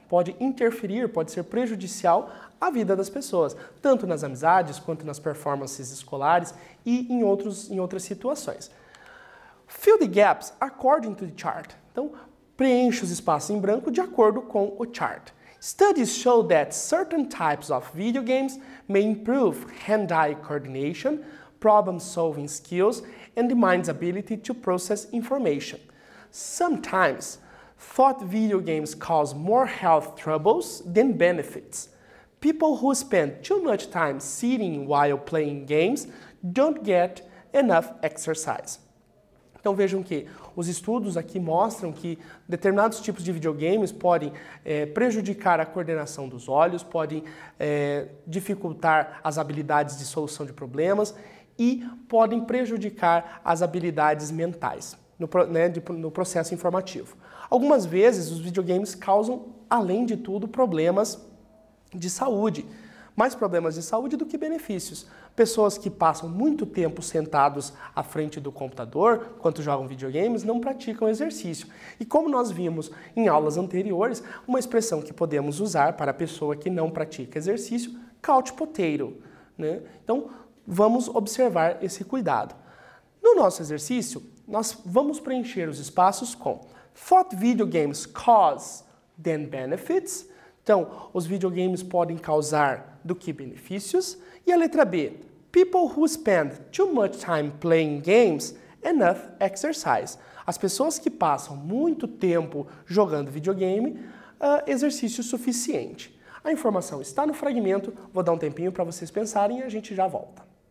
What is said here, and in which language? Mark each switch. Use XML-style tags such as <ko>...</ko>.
<pt>Pode interferir, pode ser prejudicial à vida das pessoas, tanto nas amizades, quanto nas performances escolares e em outras situações.</pt> <en>Fill the gaps according to the chart.</en> <pt>Então, preencha os espaços em branco de acordo com o chart.</pt> <en>Studies show that certain types of video games may improve hand-eye coordination, problem-solving skills, and the mind's ability to process information. Sometimes, thought video games cause more health troubles than benefits. People who spend too much time sitting while playing games don't get enough exercise.</en> <pt>Então vejam que os estudos aqui mostram que determinados tipos de videogames podem prejudicar a coordenação dos olhos, podem dificultar as habilidades de solução de problemas e podem prejudicar as habilidades mentais no processo informativo. Algumas vezes os videogames causam, além de tudo, problemas de saúde. Mais problemas de saúde do que benefícios. Pessoas que passam muito tempo sentados à frente do computador, enquanto jogam videogames, não praticam exercício. E como nós vimos em aulas anteriores, uma expressão que podemos usar para a pessoa que não pratica exercício, couch potato, né? Então, vamos observar esse cuidado. No nosso exercício, nós vamos preencher os espaços com</pt> <en>thought video games cause then benefits.</en> <pt>Então, os videogames podem causar do que benefícios. E a letra B,</pt> <en>people who spend too much time playing games, enough exercise.</en> <pt>As pessoas que passam muito tempo jogando videogame, exercício suficiente. A informação está no fragmento, vou dar um tempinho para vocês pensarem e a gente já volta.</pt>